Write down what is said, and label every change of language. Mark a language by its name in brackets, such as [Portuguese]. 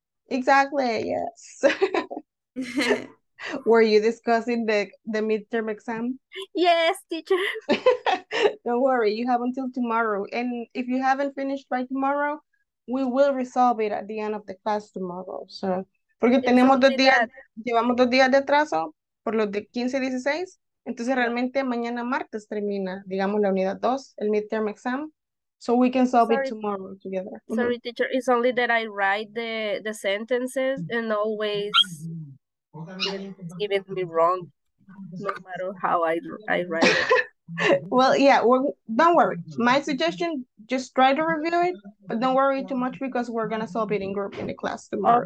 [English] Exactly, yes. Were you discussing the midterm exam? Yes, teacher. Don't worry, you have until tomorrow. And if you haven't finished by tomorrow, we will resolve it at the end of the class tomorrow. [Spanish] So, porque tenemos dos días, llevamos dos días de atraso por los de 15 y 16. Entonces, realmente mañana martes termina, digamos, la unidad 2, el midterm exam. [English] So we can solve it tomorrow together. Sorry, mm-hmm. teacher, it's only that I write the sentences and always giving me wrong, no matter how I write it. Well, yeah, well, don't worry. My suggestion, just try to review it, but don't worry too much because we're going to solve it in group in the class tomorrow.